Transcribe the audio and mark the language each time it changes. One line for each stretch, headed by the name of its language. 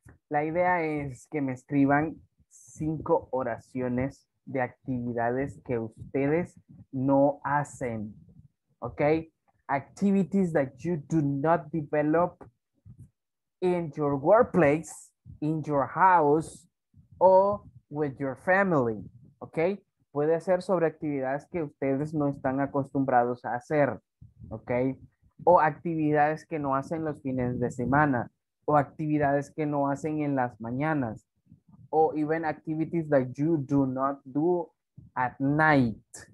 Spanish: La idea es que me escriban cinco oraciones de actividades que ustedes no hacen. ¿Ok?
English: Activities that you do not develop in your workplace, in your house, or with your family.
Spanish: ¿Ok? Puede ser sobre actividades que ustedes no están acostumbrados a hacer. ¿Ok? O actividades que no hacen los fines de semana. O actividades que no hacen en las mañanas.
English: O even activities that you do not do at night.